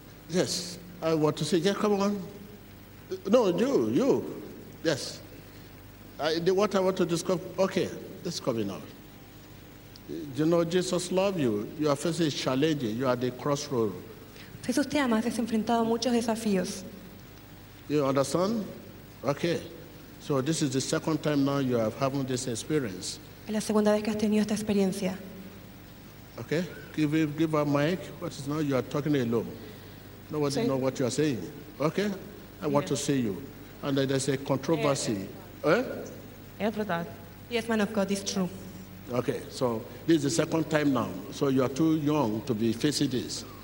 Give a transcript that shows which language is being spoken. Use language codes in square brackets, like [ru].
[en] Yes, I want to say, yeah, come on. No, you. Yes. What I want to discuss, okay, this is coming out. You know, Jesus loves you. You are facing a challenge. You are at the crossroad. [es] Jesús te ama, has enfrentado muchos desafíos. [en] You understand? Okay. So this is the second time now you have having this experience. [es] Es la segunda vez que has tenido esta experiencia. [en] Okay. Give her mic. What is now? You are talking alone. Nobody knows what you are saying. Okay. I want to see you. And there's a controversy. Yes, man of God, it's true. Okay, so this is the second time now. So you are too young to be facing this.